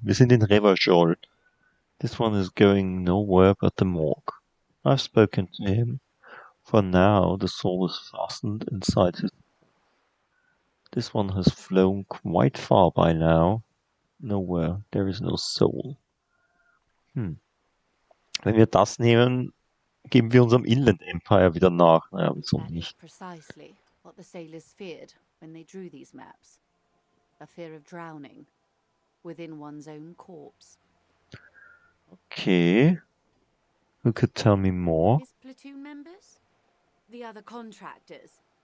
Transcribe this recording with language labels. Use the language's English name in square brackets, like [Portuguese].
[German] Wir sind in Reverjol. [English] This one is going nowhere but the morgue. I've spoken to him. For now, the soul is fastened inside his... This one has flown quite far by now. Nowhere. There is no soul. Hm. [German] Wenn wir das nehmen, geben wir unserem Inland Empire wieder nach. Naja, wieso nicht? [English] Precisely what the sailors feared when they drew these maps. A fear of drowning within one's own corpse. Okay. Who could tell me more? His platoon members? The other contractors.